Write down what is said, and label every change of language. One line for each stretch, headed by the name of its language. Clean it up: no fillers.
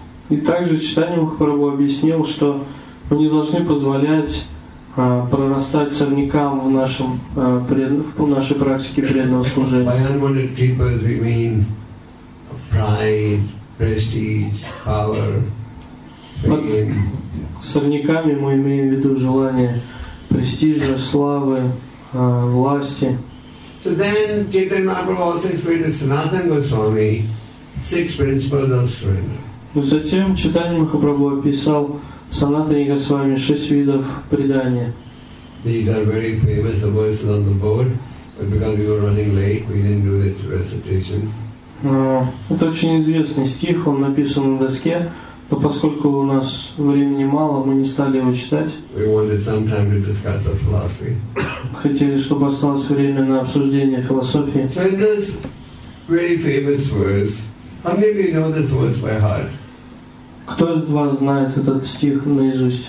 Russian: И также Чайтанья Махапрабху объяснил, что мы не должны позволять прорастать сорнякам в нашем в нашей практике преданного служения.
English: By unwanted creepers we mean pride, prestige, power, fame.
Russian: Сорняками мы имеем в виду желание престижа, славы, власти.
English: So then Chaitanya Mahaprabhu also explained to Sanatana Goswami six principles of surrender.
Russian: Затем Чайтанья Махапрабху описал Санатане Госвами шесть видов предания.
English: These are very famous verses on the board, but because we were running late, we didn't do its recitation.
Russian: Это очень известный стих, он написан на доске, но поскольку у нас времени мало, мы не стали его читать.
English: We wanted some time to discuss the philosophy.
Russian: Хотели, чтобы осталось время на обсуждение философии.
English: So in this very famous verse, how many of you know this verse by heart?
Russian: Кто из вас знает этот стих наизусть?